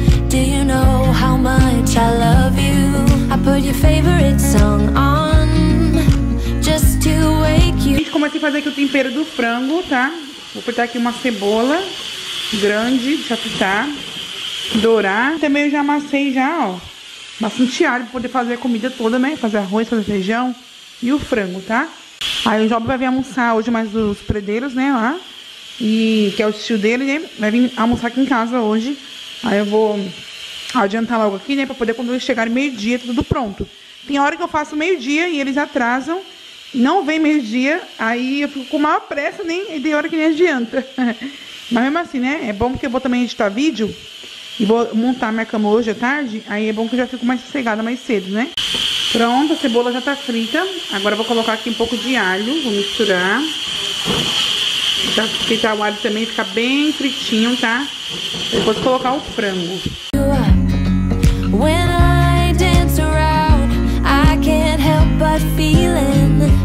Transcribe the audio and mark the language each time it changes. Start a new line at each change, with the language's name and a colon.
English: Do you know how much I love you? I put your favorite song on just to wake you.
Portuguese: Gente, comecei a fazer aqui o tempero do frango, tá? Vou cortar aqui uma cebola grande, deixa fritar, dourar. Também eu já amassei já, ó, bastante alho pra poder fazer a comida toda, né? Fazer arroz, fazer feijão e o frango, tá? Aí o Job vai vir almoçar hoje mais os predeiros, né, lá. E que é o tio dele, né, vai vir almoçar aqui em casa hoje. Aí eu vou adiantar logo aqui, né, pra poder quando eles chegarem meio-dia, tudo pronto. Tem hora que eu faço meio-dia e eles atrasam, não vem meio-dia, aí eu fico com maior pressa, nem, e tem hora que nem adianta. Mas mesmo assim, né, é bom porque eu vou também editar vídeo e vou montar minha cama hoje à tarde, aí é bom que eu já fico mais sossegada mais cedo, né. Pronto, a cebola já tá frita. Agora eu vou colocar aqui um pouco de alho. Vou misturar. Já fritar o alho também, fica bem fritinho, tá? Depois vou colocar o frango.
English: When I dance around, I can't help but feeling.